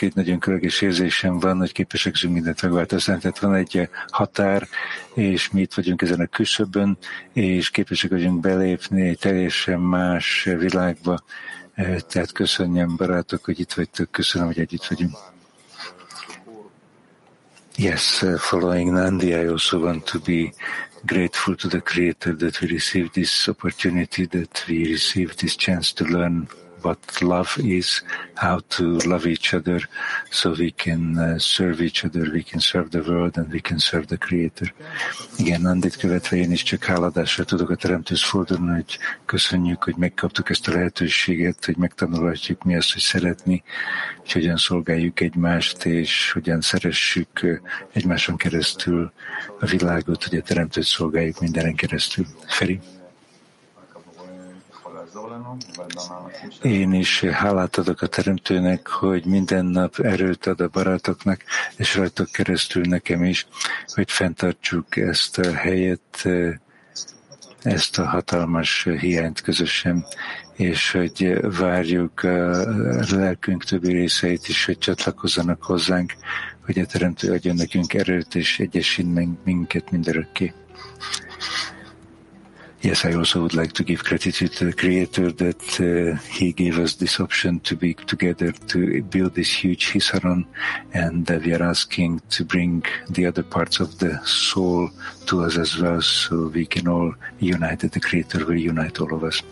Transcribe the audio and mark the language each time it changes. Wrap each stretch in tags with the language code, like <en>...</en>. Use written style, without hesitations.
<hu>Egy nagyon különleges érzésem van, hogy képesek vagyunk mindent megváltozni. Tehát van egy határ, és mi itt vagyunk ezen a küszöbön, és képesek vagyunk belépni egy teljesen más világba. Tehát köszönjem, barátok, hogy itt vagytok. Köszönöm, hogy együtt vagyunk.</hu> <en>Yes, following Nandi, I also want to be grateful to the Creator that we received this opportunity, that we received this chance to learn what love is, how to love each other, so we can serve each other, we can serve the world, and we can serve the Creator.</en> <hu>Igen, Nandit követve én is csak háladásra tudok a Teremtőhöz fordulni, hogy köszönjük, hogy megkaptuk ezt a lehetőséget, hogy megtanulhatjuk mi azt, hogy szeretni, és hogyan szolgáljuk egymást, és hogyan szeressük egymáson keresztül a világot, hogy a Teremtőt szolgáljuk mindenen keresztül. Feri? Én is hálát adok a Teremtőnek, hogy minden nap erőt ad a barátoknak, és rajtok keresztül nekem is, hogy fenntartsuk ezt a helyet, ezt a hatalmas hiányt közösen, és hogy várjuk a lelkünk többi részeit is, hogy csatlakozzanak hozzánk, hogy a Teremtő adjon nekünk erőt, és egyesít minket mindörökké.</hu> <en>Yes, I also would like to give gratitude to the Creator that he gave us this option to be together, to build this huge Hisaron, and that we are asking to bring the other parts of the soul to us as well, so we can all unite, that the Creator will unite all of us.</en>